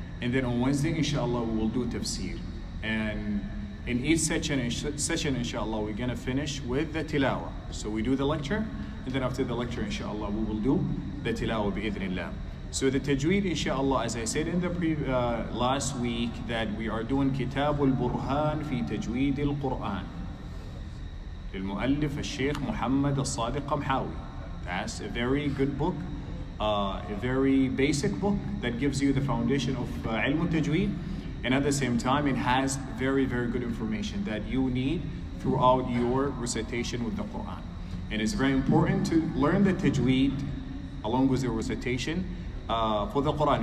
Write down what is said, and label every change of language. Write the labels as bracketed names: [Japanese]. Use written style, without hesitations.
[English] And then on Wednesday, inshallah, we will do Tafsir. And in each session, inshallah, we're going to finish with the Tilawah. So we do the lecture, and then after the lecture, inshallah, we will do the Tilawah bi-idhnillah. So the Tajweed, inshallah, as I said in the last week, that we are doing Kitab al-Burhan fi Tajweed al-Qur'an. [Arabic] للمؤلف الشيخ محمد الصادق قمحاوي. [English] That's a very good book, a very basic book that gives you the foundation of ilm al-Tajweed. And at the same time, it has very, very good information that you need throughout your recitation with the Qur'an. And it's very important to learn the Tajweed along with the recitation for the Qur'an.